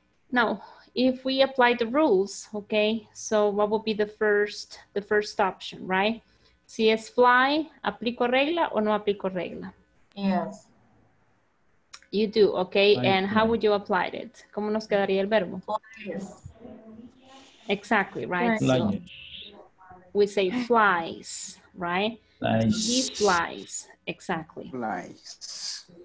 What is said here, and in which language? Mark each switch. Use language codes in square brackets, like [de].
[en] Now, if we apply the rules, okay, so what would be the first option, right? [es] Si es fly, ¿aplico regla o no aplico regla? [en] Yes. You do, okay, and how would you apply it? [es] ¿Cómo nos quedaría el verbo? [en] Yes. Exactly, right? Nice. So we say flies, right? Nice. He flies, exactly. Flies.